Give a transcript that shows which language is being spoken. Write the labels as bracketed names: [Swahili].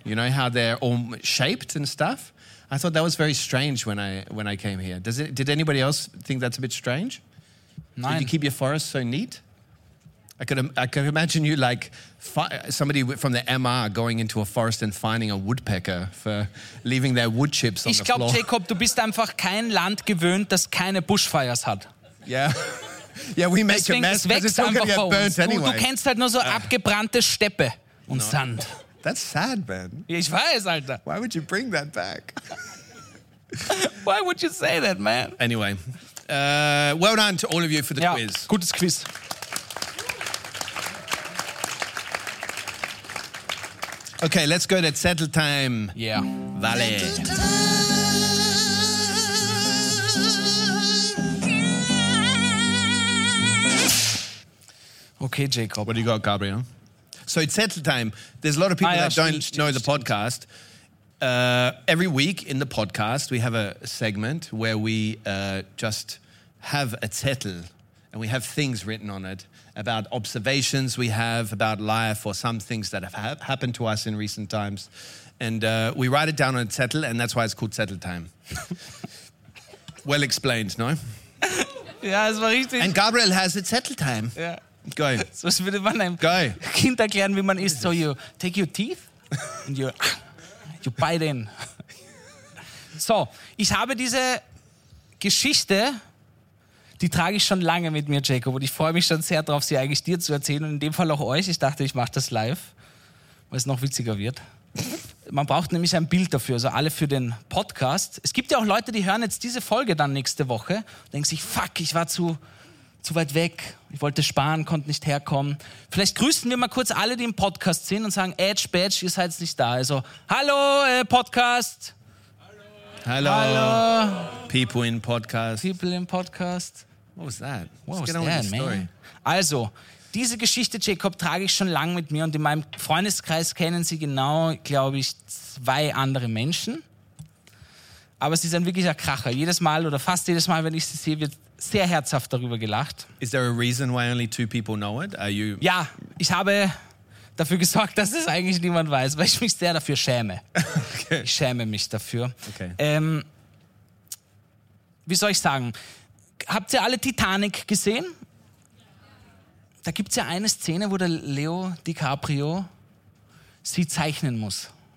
[English] You know how they're all shaped and stuff? I thought that was very strange when I came here. Did anybody else think that's a bit strange? [German] Nein. [English] Did you keep your forest so neat? I could imagine you like somebody from the MR going into a forest and finding a woodpecker for leaving their wood chips on [German] ich [English] the glaub, floor. [German] Ich glaube, Jacob, du bist einfach kein Land gewöhnt, das keine Bushfires hat. [English] Yeah. Yeah, we make [German] deswegen [English] a mess because it's all going to get burnt anyway. [German] Du kennst halt nur so abgebrannte Steppe und no. [English] Sand. That's sad, man. [German] Ja, ich weiß, Alter. [English] Why would you bring that back? Why would you say that, man? Anyway, well done to all of you for the quiz. [German] Gutes Quiz. [English] Okay, let's go to Zettel time. Yeah. Vale. Okay, Jacob. What do you got, Gabriel? So it's Zettel time. There's a lot of people that don't know the podcast. Every week in the podcast, we have a segment where we just have a Zettel and we have things written on it about observations we have about life or some things that have happened to us in recent times. And we write it down on a Zettel, and that's why it's called Zettel time. Well explained, no? [German] Ja, es war richtig. [English] And Gabriel has a Zettel time. Yeah. Go. [German] So was würde man einem Go. Kind erklären, wie man isst. [English] So you take your teeth and you bite in. [German] So, ich habe diese Geschichte die trage ich schon lange mit mir, Jacob. Und ich freue mich schon sehr drauf, sie eigentlich dir zu erzählen. Und in dem Fall auch euch. Ich dachte, ich mache das live, weil es noch witziger wird. Man braucht nämlich ein Bild dafür, also alle für den Podcast. Es gibt ja auch Leute, die hören jetzt diese Folge dann nächste Woche. Denken sich, fuck, ich war zu weit weg. Ich wollte sparen, konnte nicht herkommen. Vielleicht grüßen wir mal kurz alle, die im Podcast sind und sagen, Edge, Badge, ihr seid nicht da. Also, hallo, Podcast. Hallo. Hallo. [English] People in Podcast. People in Podcast. What was that? What was that, man? [German] Also, diese Geschichte, Jacob, trage ich schon lange mit mir und in meinem Freundeskreis kennen sie genau, glaube ich, zwei andere Menschen. Aber sie sind wirklich ein Kracher. Jedes Mal oder fast jedes Mal, wenn ich sie sehe, wird sehr herzhaft darüber gelacht. [English] Is there a reason why only two people know it? Are you? [German] Ja, ich habe dafür gesorgt, dass es eigentlich niemand weiß, weil ich mich sehr dafür schäme. Okay. Ich schäme mich dafür. Okay. Wie soll ich sagen? Habt ihr alle Titanic gesehen? Da gibt es ja eine Szene, wo der Leo DiCaprio sie zeichnen muss.